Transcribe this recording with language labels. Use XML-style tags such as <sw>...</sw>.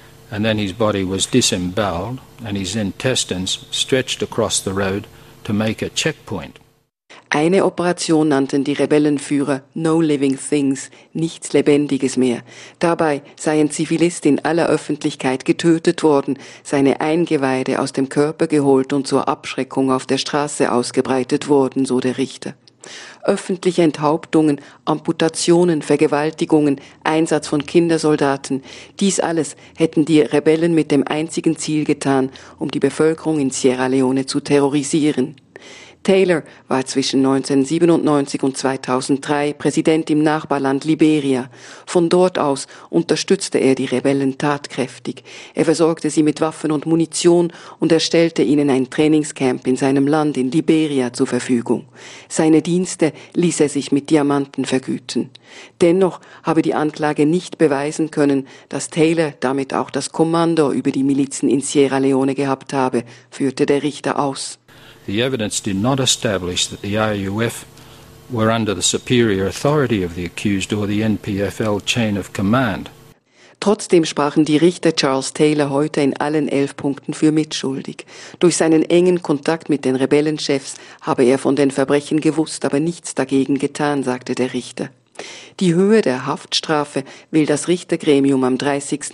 <en>And then his body was disemboweled and his intestines stretched across the road to make a checkpoint.</en> <de>Eine Operation nannten die Rebellenführer No Living Things, nichts Lebendiges mehr. Dabei sei ein Zivilist in aller Öffentlichkeit getötet worden, seine Eingeweide aus dem Körper geholt und zur Abschreckung auf der Straße ausgebreitet worden, so der Richter. Öffentliche Enthauptungen, Amputationen, Vergewaltigungen, Einsatz von Kindersoldaten, dies alles hätten die Rebellen mit dem einzigen Ziel getan, um die Bevölkerung in Sierra Leone zu terrorisieren. Taylor war zwischen 1997 und 2003 Präsident im Nachbarland Liberia. Von dort aus unterstützte er die Rebellen tatkräftig. Er versorgte sie mit Waffen und Munition und er stellte ihnen ein Trainingscamp in seinem Land in Liberia zur Verfügung. Seine Dienste ließ er sich mit Diamanten vergüten. Dennoch habe die Anklage nicht beweisen können, dass Taylor damit auch das Kommando über die Milizen in Sierra Leone gehabt habe, führte der Richter aus.</de> <en>The evidence did not establish that the IUF were under the superior authority of the accused or the NPFL chain of command.</en> <de>Trotzdem sprachen die Richter Charles Taylor heute in allen 11 Punkten für mitschuldig. Durch seinen engen Kontakt mit den Rebellenchefs habe er von den Verbrechen gewusst, aber nichts dagegen getan, sagte der Richter. Die Höhe der Haftstrafe will das Richtergremium am 30.</de>